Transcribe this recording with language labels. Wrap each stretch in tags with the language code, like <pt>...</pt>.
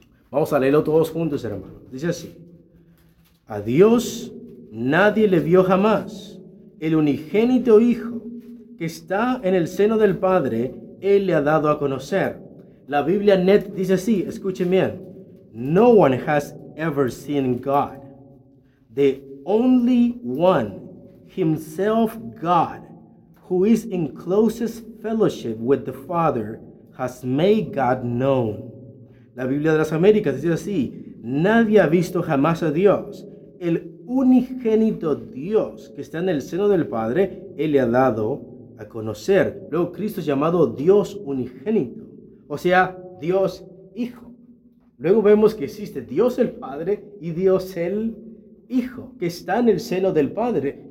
<es>Vamos a leerlo todos juntos, hermano. Dice así. A Dios nadie le vio jamás. El unigénito Hijo que está en el seno del Padre, Él le ha dado a conocer. La Biblia NET dice así, escuchen bien.</es> <en>No one has ever seen God. The only one, himself God, who is in closest fellowship with the Father, has made God known.</en> <es>La Biblia de las Américas dice así, Nadie ha visto jamás a Dios. El unigénito Dios que está en el seno del Padre, Él le ha dado a conocer. Luego Cristo es llamado Dios unigénito, o sea, Dios Hijo. Luego vemos que existe Dios el Padre y Dios el Hijo, que está en el seno del Padre.</es>